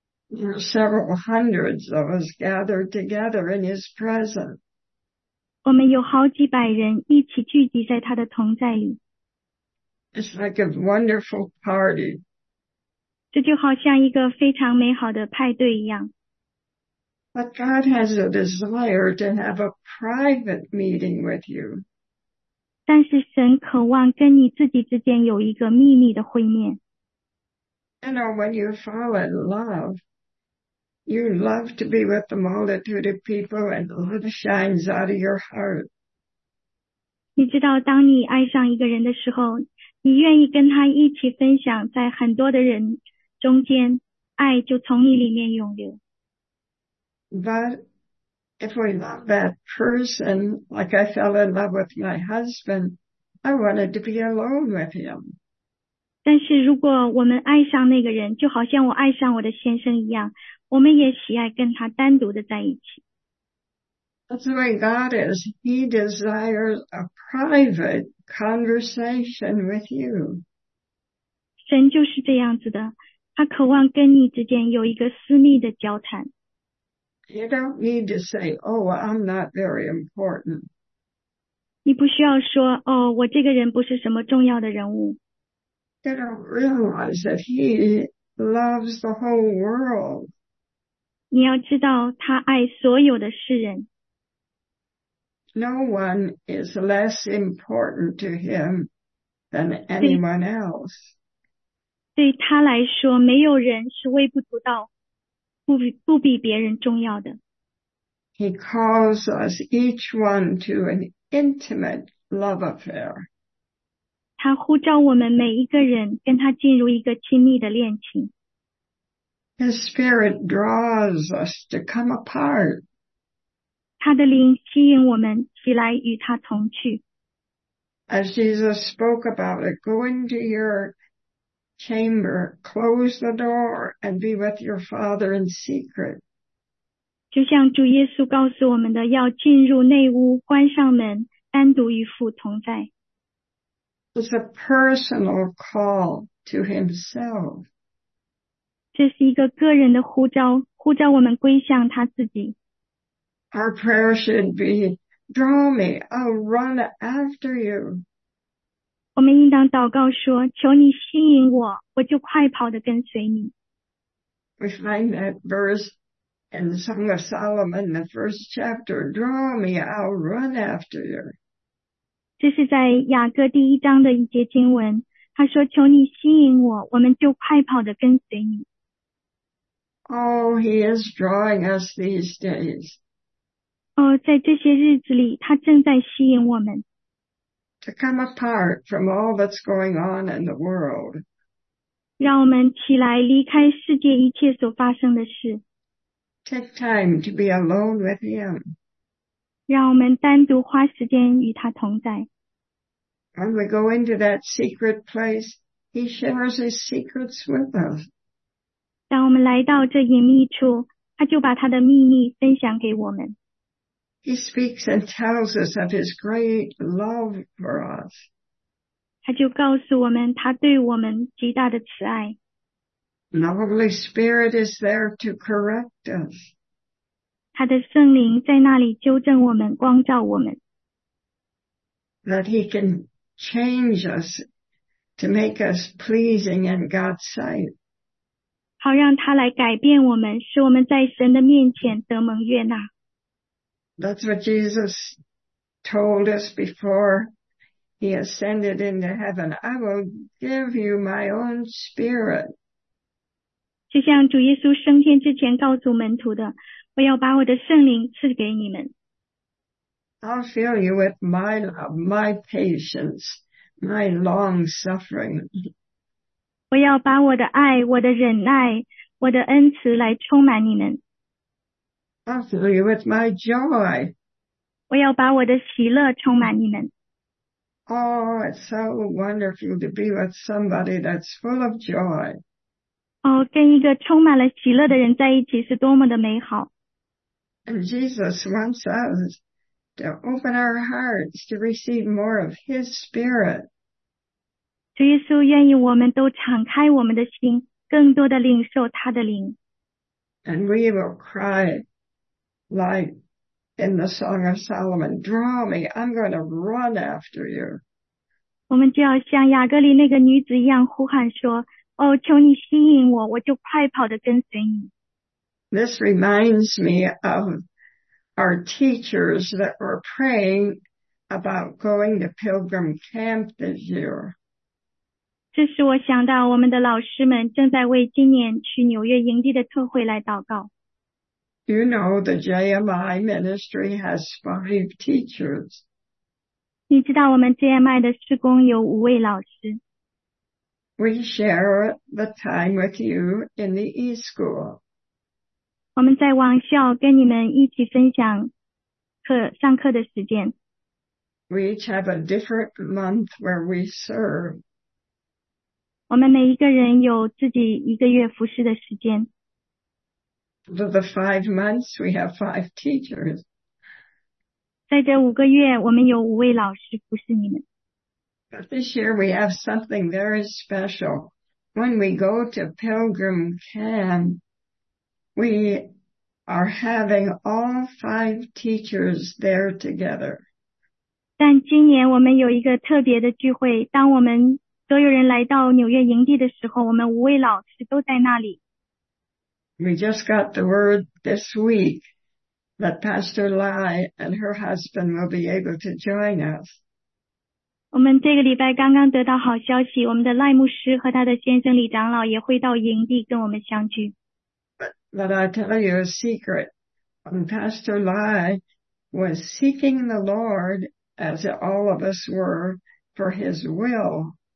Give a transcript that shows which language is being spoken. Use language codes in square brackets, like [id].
[en] There are several hundreds of us gathered together in his presence. [zh] 我们有好几百人一起聚集在他的同在里。 [en] It's like a wonderful party. [zh] 这就好像一个非常美好的派对一样。 [en] But God has a desire to have a private meeting with you. [zh] 但是神渴望跟你自己之间有一个秘密的会面。 [en] You know, when you fall in love, you love to be with the multitude of people and love shines out of your heart. [zh] 你知道当你爱上一个人的时候你愿意跟他一起分享，在很多的人中间，爱就从你里面涌流。 [en] But if we love that person, like I fell in love with my husband, I wanted to be alone with him. [zh] 但是如果我们爱上那个人，就好像我爱上我的先生一样，我们也喜爱跟他单独的在一起。 [en] That's the way God is. He desires a private conversation with you. [zh] 神就是这样子的，他渴望跟你之间有一个私密的交谈。 [en] You don't need to say, oh, I'm not very important. [zh] 你不需要说，哦，我这个人不是什么重要的人物。 [en] You don't realize that he loves the whole world. [zh] 你要知道，他爱所有的世人。 [en] No one is less important to him than anyone else. [zh] 对他来说，没有人是微不足道，不比别人重要的。 [en] He calls us each one to an intimate love affair. [zh] 他呼召我们每一个人跟他进入一个亲密的恋情。 [en] His spirit draws us to come apart. [zh] 他的灵吸引我们起来与他同去。 [en] As Jesus spoke about it, go into your chamber, close the door, and be with your Father in secret. [zh] 就像主耶稣告诉我们的，要进入内屋，关上门，单独与父同在。 [en] It's a personal call to himself. [zh] 这是一个个人的呼召，呼召我们归向他自己。 [en] Our prayer should be, draw me, I'll run after you. [zh] 我们应当祷告说，求你吸引我，我就快跑地跟随你。 [en] We find that verse in the Song of Solomon, the first chapter, draw me, I'll run after you. [zh] 这是在雅各第一章的一节经文，他说，求你吸引我，我们就快跑地跟随你。 [en] Oh, he is drawing us these days. [zh] 哦，在这些日子里，他正在吸引我们。 [en] To come apart from all that's going on in the world. [zh] 让我们起来离开世界一切所发生的事。 [en] Take time to be alone with him. [zh] 让我们单独花时间与他同在。 [en] When we go into that secret place, he shares his secrets with us. [zh] 当我们来到这隐秘处，他就把他的秘密分享给我们。 [en] He speaks and tells us of his great love for us. [zh] 他就告诉我们他对我们极大的慈爱。 [en] The Holy Spirit is there to correct us. [zh] 他的圣灵在那里纠正我们，光照我们。 [en] That he can change us to make us pleasing in God's sight. [zh] 好让他来改变我们，使我们在神的面前得蒙悦纳。 [en] That's what Jesus told us before he ascended into heaven. I will give you my own spirit. [zh] 就像主耶稣升天之前告诉门徒的，我要把我的圣灵赐给你们。 [en] I'll fill you with my love, my patience, my long suffering. [zh] 我要把我的爱、我的忍耐、我的恩慈来充满你们。 [en] I'll fill you with my joy. [zh] 我要把我的喜乐充满你们。 [en] Oh, it's so wonderful to be with somebody that's full of joy. [zh] 哦，跟一个充满了喜乐的人在一起是多么的美好。 [en] And Jesus wants us to open our hearts to receive more of his spirit. [zh] 主耶稣愿意我们都敞开我们的心，更多的领受他的灵。 [en] And we will cry, like in the Song of Solomon, draw me, I'm going to run after you. [zh] 我们就要像雅各里那个女子一样呼喊说，哦，求你吸引我，我就快跑地跟随你。 [en] This reminds me of our teachers that were praying about going to Pilgrim Camp this year. [zh] 这使我想到我们的老师们正在为今年去纽约营地的特会来祷告。 [en] You know, the JMI ministry has 5 teachers. [zh] 你知道我们 JMI 的事工有5位老师。 [en] We share the time with you in the e-school. [zh] 我们在网校跟你们一起分享课上课的时间。 [en] We each have a different month where we serve. [zh] 我们每一个人有自己一个月服侍的时间。 [en] For the 5 months, we have 5 teachers. [zh] 在这五个月，我们有五位老师服侍你们。 [en] But this year we have something very special. When we go to Pilgrim Camp, we are having all 5 teachers there together. [zh] 但今年我们有一个特别的聚会，当我们所有人来到纽约营地的时候，我们五位老师都在那里。 [en] We just got the word this week that Pastor Lai and her husband will be able to join us. [zh] 我们这个礼拜刚刚得到好消息，我们的赖牧师和他的先生李长老也会到营地跟我们相聚。 [en] But I tell you a secret. When Pastor Lai was seeking the Lord, as all of us were, for his will.